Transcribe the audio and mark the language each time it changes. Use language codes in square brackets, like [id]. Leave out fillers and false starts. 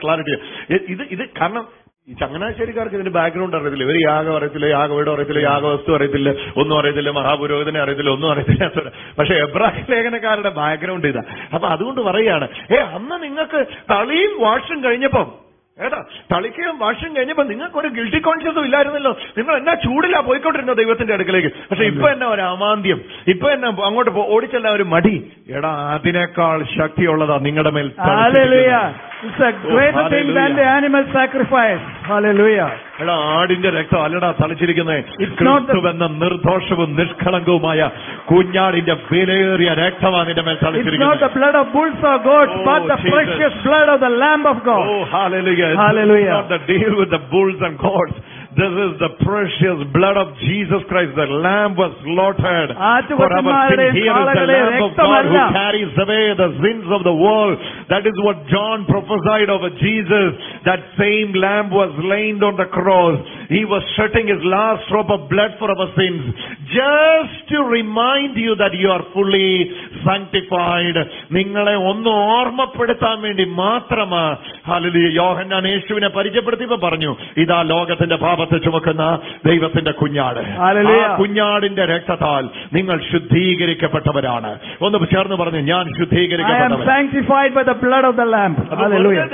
[ml] Clarity ഇത് ഇത് കാരണം ഈ ചങ്ങനാശ്ശേരിക്കാർക്ക് ഇതിന്റെ ബാക്ക്ഗ്രൗണ്ട് അറിയത്തില്ല ഇവര് യാഗം അറിയത്തില്ല യാഗവീട് അറിയത്തില്ല യാഗവസ്തു അറിയത്തില്ല ഒന്നും അറിയത്തില്ല മഹാപുരോഹിതനെ അറിയത്തില്ല ഒന്നും അറിയത്തില്ല പക്ഷെ എബ്രഹാം ലേഖനക്കാരുടെ ബാക്ക്ഗ്രൗണ്ട് ഇതാ അപ്പൊ അതുകൊണ്ട് പറയുകയാണ് ഏ അന്ന് നിങ്ങൾക്ക് തളിയും വാഷും കഴിഞ്ഞപ്പം ഏട്ടാ തളിക്കുകയും വാഷും കഴിഞ്ഞപ്പോ നിങ്ങൾക്കൊരു ഗിൽറ്റി കോൺഷ്യസും ഇല്ലായിരുന്നല്ലോ നിങ്ങൾ എന്നാ ചൂടിലാ പോയിക്കൊണ്ടിരുന്നോ ദൈവത്തിന്റെ അടുക്കലേക്ക് പക്ഷെ ഇപ്പൊ എന്നാ ഒരു അമാന്ത്യം ഇപ്പൊ എന്നെ അങ്ങോട്ട് ഓടിച്ചല്ല ഒരു മടി എടാ അതിനേക്കാൾ ശക്തിയുള്ളതാ നിങ്ങളുടെ മേൽ [en] It's a greater thing than the animal sacrifice. Hallelujah. [ml] എടാ ആടിന്റെ രക്തം അല്ലടാ തളിച്ചിരിക്കുന്നത് ക്രിസ്തു എന്ന നിർദോഷവും നിഷ്കളങ്കവുമായ കുഞ്ഞാടിന്റെ വിലയേറിയ രക്തമാണ് നിന്റെ മേൽ തളിച്ചിരിക്കുന്നത് [en] It's not the blood of bulls or goats, but the precious blood of the Lamb of God. Oh, hallelujah. Hallelujah. It's not the deal with the bulls and goats. This is the precious blood of Jesus Christ. The Lamb was slaughtered for our sin. Here is the Lamb of God who carries away the sins of the world. That is what John prophesied over Jesus. That same Lamb was slain on the cross. He was shedding his last drop of blood for our sins, just to remind you that you are fully sanctified. [ml] നിങ്ങളെ ഒന്ന് ഓർമ്മപ്പെടുത്താൻ വേണ്ടി മാത്രം. Hallelujah. യോഹന്നാൻ യേശുവിനെ പരിചയപ്പെടുത്തിയപ്പോൾ പറഞ്ഞു, ഇതാ ലോകത്തിന്റെ പാപത്തെ ചുമക്കുന്ന ദൈവത്തിന്റെ കുഞ്ഞാട്. ഹല്ലേലൂയ. കുഞ്ഞാടിന്റെ രക്തത്താൽ നിങ്ങൾ ശുദ്ധീകരിക്കപ്പെട്ടവരാണ്. ഒന്ന് ചേർന്ന് പറഞ്ഞു, ഞാൻ ശുദ്ധീകരിക്കപ്പെട്ടവൻ.